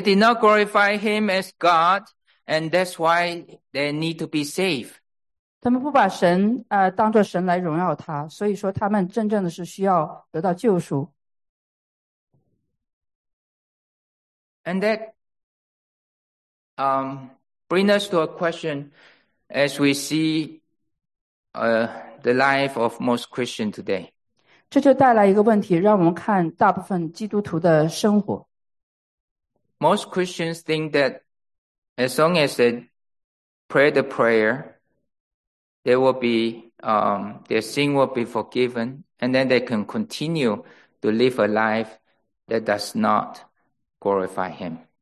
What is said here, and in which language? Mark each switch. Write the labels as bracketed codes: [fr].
[en] did not glorify him as God, and that's why they need to be saved. [zh] 他们不把神当作神来荣耀他,所以说他们真正的是需要得到救赎。 [en] And that brings us to a question as we see the life of most Christians today. [zh] 这就带来一个问题, 让我们看大部分基督徒的生活。 [en] Most Christians think that as long as they pray the prayer, they will be their sin will be forgiven, and then they can continue to live a life that does not glorify him.